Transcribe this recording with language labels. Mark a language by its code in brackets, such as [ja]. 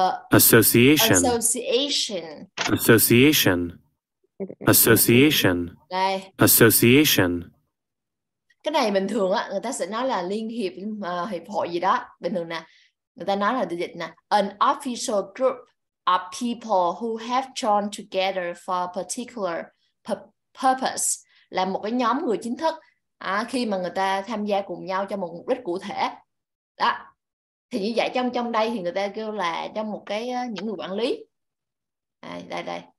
[en] Association. Association. Association. Association. [vi] Đây. [en] Association. [vi] Cái này bình thường á, người ta sẽ nói là liên hiệp, hiệp hội gì đó. Bình thường nè, người ta nói là từ dịch nè. [en] An official group of people who have joined together for a particular purpose. [vi] Là một cái nhóm người chính thức khi mà người ta tham gia cùng nhau cho một mục đích cụ thể. Đó. Thì như vậy trong trong đây thì người ta kêu là trong một cái những người quản lý. À, đây đây.